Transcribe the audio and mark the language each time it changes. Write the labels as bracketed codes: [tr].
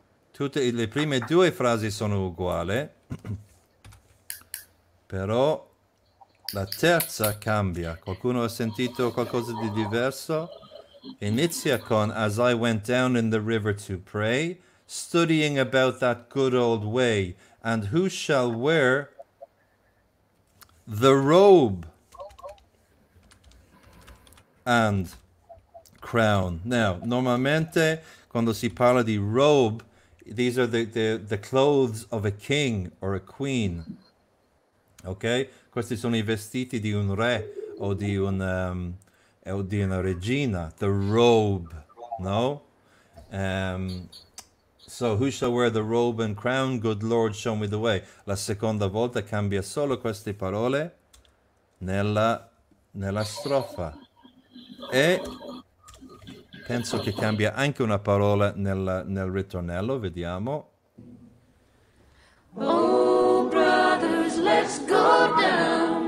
[it] Tutte le prime due frasi sono uguali, però la terza cambia. Qualcuno ha sentito qualcosa di diverso? Inizia con [en] as I went down in the river to pray, studying about that good old way, and who shall wear the robe and crown. Now, [it] normalmente, quando si parla di [en] robe, these are the clothes of a king or a queen. Ok? [it] Questi sono i vestiti di un re o di una regina. [en] The robe. No? So, who shall wear the robe and crown? Good Lord, show me the way. [it] La seconda volta cambia solo queste parole nella strofa. E... penso che cambia anche una parola nel ritornello, vediamo. [en] Oh, brothers, let's go down,